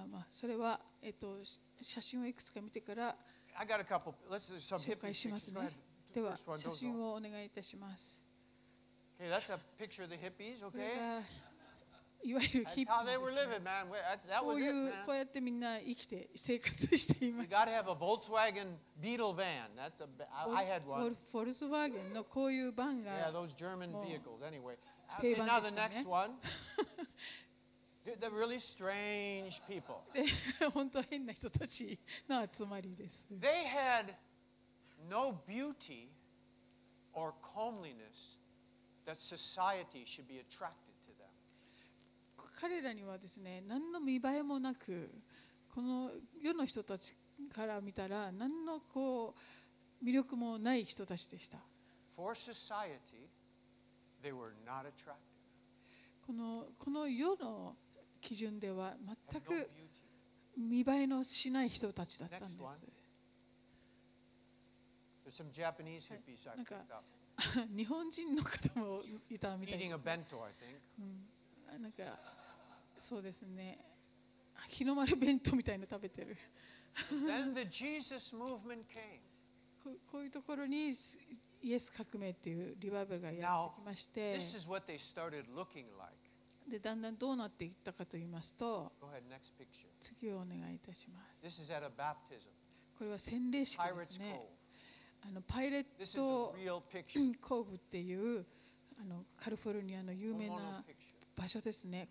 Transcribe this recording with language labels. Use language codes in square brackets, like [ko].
[ja] それは写真をいくつか見てから。 [en] I got a couple. Let's do some hippie pictures. Go ahead. [ja] では写真をお願いいたします。 [en] Okay, that's a picture of the hippies. Okay. [ja] いわゆるヒッピー。 [en] That's how they were living, man. That was it, man. [ja] こうやってみんな生きて生活しています。 [en] You got to have a Volkswagen Beetle van. That's a. I had one. [ja] Volkswagen のこういうバンが。 [en] Yeah, those German vehicles. Anyway. Okay, now the next one. They're really strange people. [ja] 本当変な人たちの集まりです。 [en] They had no beauty or comeliness that society should be attracted to them. [ja] 彼らにはですね、何の見栄えもなく、この世の人たちから見たら何のこう魅力もない人たちでした。 [en] For society. They were not attractive. [ja] この世の基準では全く見栄えのしない人たちだったんです。 [en] There's some Japanese hippies I picked up. [ja] 日本人の方もいたみたいです。 [en] Eating a bento, I think. [ja] なんかそうですね。日の丸弁当みたいなの食べてる。 [en] Then the Jesus movement came. [ja] こういうところにイエス革命っていうリバイバルがやってきまして、 [en] Now, this is what they started looking like. [ja] でだんだんどうなっていったかと言いますと、 [en] Go ahead, next picture. [ja] 次をお願いいたします。 [en] This is at a baptism. [ja] これは洗礼式ですね。あのパイレットコーブっていうあのカリフォルニアの有名な場所ですね。